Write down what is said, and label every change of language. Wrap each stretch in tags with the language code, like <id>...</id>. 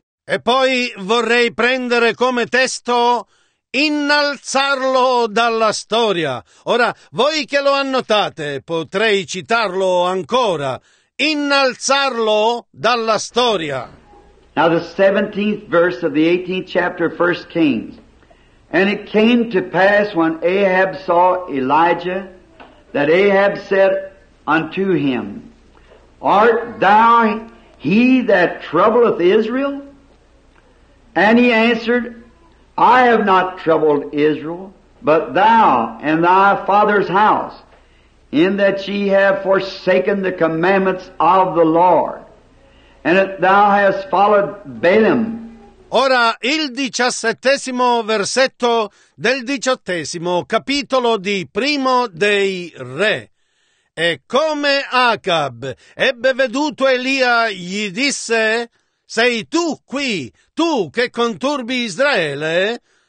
<it>E poi vorrei prendere come testo innalzarlo dalla storia. Ora, voi che lo annotate, potrei citarlo ancora. Innalzarlo dalla storia.</it> <en>Now, the 17th verse of the 18th chapter of 1 Kings. And it came to pass when Ahab saw Elijah, that Ahab said unto him, Art thou he that troubleth Israel? And he answered, I have not troubled Israel, but thou and thy father's house, in that ye have forsaken the commandments of the Lord, and that thou hast followed Balaam.</en> <it>Ora il 17° versetto del 18° capitolo di Primo dei Re. E come Acab ebbe veduto Elia, gli disse, Sei tu qui, tu che conturbi Israele?</it>